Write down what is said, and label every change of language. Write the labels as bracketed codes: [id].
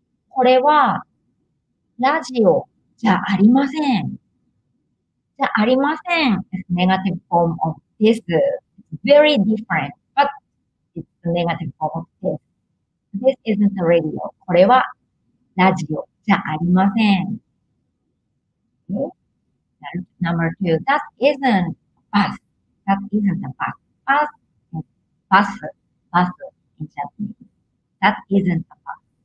[ja] これはラジオじゃありません。じゃありません。 [en] Negative form of this. It's very different, but it's a negative form of this. This isn't a radio. [ja] これはラジオじゃありません。 [en] Number two. That isn't a bus. That isn't a bus. Bus is bus. Bus in Japanese. That isn't a bus.